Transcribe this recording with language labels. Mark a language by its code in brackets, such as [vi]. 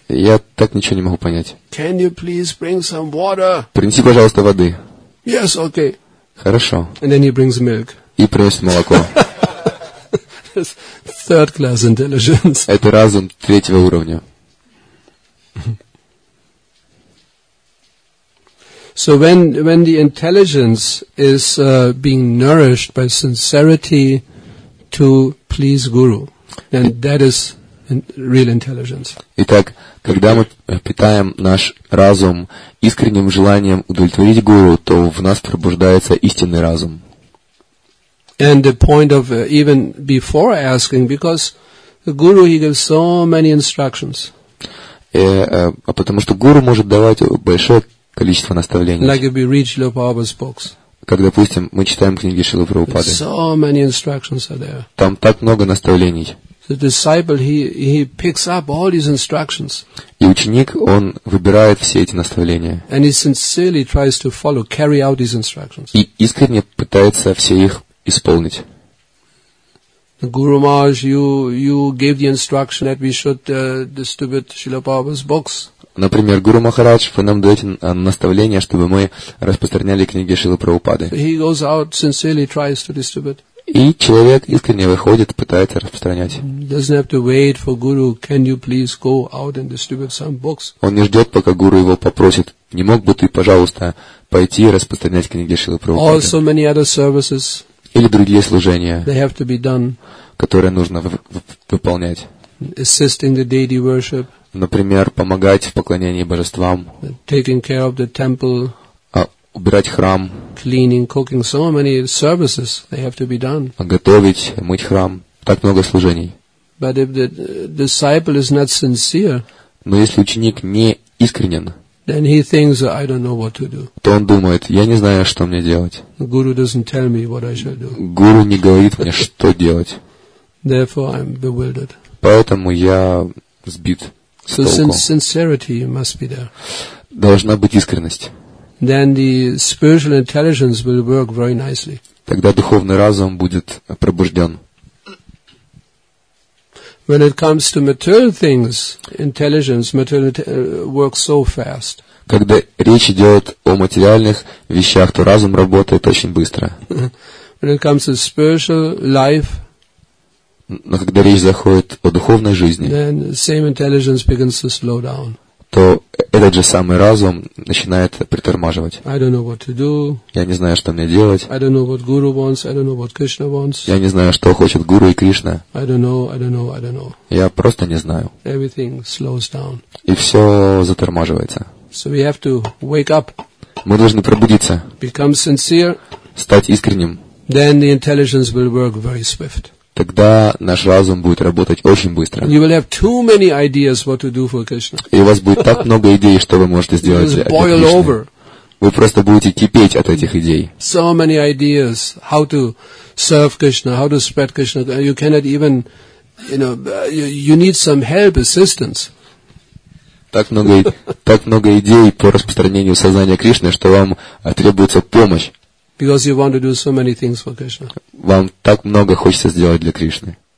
[ru] Я так ничего не могу понять. [en] Can you please bring some water? [ru] Принеси, пожалуйста, воды. [en] Yes, okay. [ru] Хорошо. [en] And then he brings milk. [ru] И приносит молоко. [en] Third class intelligence. [ru] Это разум третьего уровня. [en] So when the intelligence is being nourished by sincerity to please guru, then that is real intelligence. [ru] Итак, когда мы питаем наш разум искренним желанием удовлетворить гуру, то в нас пробуждается истинный разум. [en] And the point of even before asking, because the guru he gives so many instructions. [ru] Потому что гуру может давать большое количество наставлений. [en] Like if we read Шрила Прабхупада's books. [ru] Как, допустим, мы читаем книги Шрилы Прабхупады. [en] So many instructions are there. [ru] Там так много наставлений. [en] The disciple he picks up all these instructions. [ru] И ученик он выбирает все эти наставления. [en] And he sincerely tries to follow, carry out these instructions. [ru] И искренне пытается все их исполнить. [en] Guru Maharaj, you gave the instruction that we should distribute Srila Prabhupada's books. [ru] Например, Гуру Махарадж, вы нам даете наставление, чтобы мы распространяли книги Шрилы Прабхупады. [en] He goes out sincerely tries to distribute. [ru] И человек искренне выходит, пытается распространять. Он не ждет, пока гуру его попросит. Не мог бы ты, пожалуйста, пойти и распространять книги Шрилы Прабхупады? Или другие служения, которые нужно выполнять. Например, помогать в поклонении божествам. [en] Taking care of the temple. [ru] Убирать храм. [en] Cleaning, cooking, so many services they have to be done. [ru] Готовить, мыть храм. Так много служений. [en] But if the disciple is not sincere. [ru] Но если ученик не искренен. [en] Then he thinks, I don't know what to do. [ru] То он думает, я не знаю, что мне делать. [en] Guru doesn't tell me what I should do. [ru] Гуру не говорит мне, что делать. [en] Therefore I'm bewildered. [ru] Поэтому я сбит. [en] So sincerity must be there. [ru] Должна быть искренность. [en] Then the spiritual intelligence will work very nicely. [ru] Тогда духовный разум будет пробужден. [en] When it comes to material things, intelligence, material works so fast. [ru] Когда речь идет о материальных вещах, то разум работает очень быстро. [en] When it comes to spiritual life. [ru] Но когда речь заходит о духовной жизни. [en] Then same intelligence begins to slow down. [ru] То этот же самый разум начинает притормаживать. [en] I don't know what to do. [ru] Я не знаю, что мне делать. [en] I don't know what Guru wants. I don't know what Krishna wants. [ru] Я не знаю, что хочет Гуру и Кришна. [en] I don't know. [ru] Я просто не знаю. [en] Everything slows down. [ru] И все затормаживается. [en] So we have to wake up. [ru] Мы должны пробудиться. [en] Become sincere. [ru] Стать искренним. [en] Then the intelligence will work very swift. [ru] Тогда наш разум будет работать очень быстро. [en] You will have too many ideas what to do for Krishna. [ru] И у вас будет так много идей, что вы можете сделать для Кришны. Вы просто будете кипеть от этих идей. [en] So many ideas how to serve Krishna, how to spread Krishna. You cannot even, you know, you need some help, assistance. [ru] Так много идей по распространению сознания Кришны, что вам требуется помощь. [en] Because you want to do so many things for Krishna. [ru] Вам так много хочется сделать для Кришны.